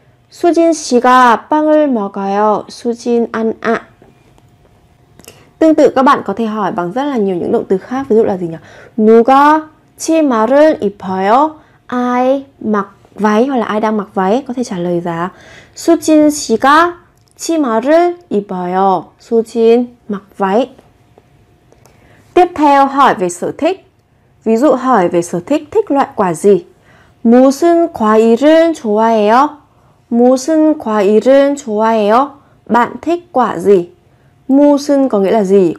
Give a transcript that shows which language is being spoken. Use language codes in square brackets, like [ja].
[ko] 수진 씨가 빵을 먹어요. [vi] 수진 ăn ạ. Tương tự các bạn có thể hỏi bằng rất là nhiều những động từ khác, ví dụ là gì nhỉ? [ko] 누가 치마를 입어요? [vi] Ai mặc váy hoặc là ai đang mặc váy, có thể trả lời là [ko] 수진 씨가 치마를 입어요. [vi] 수진 mặc váy. Tiếp theo hỏi về sở thích. Ví dụ hỏi về sở thích, thích loại quả gì? [ko] 무슨 과일을 좋아해요? 무슨 과일을 좋아해요? [vi] Bạn thích quả gì? 무슨 có nghĩa là gì?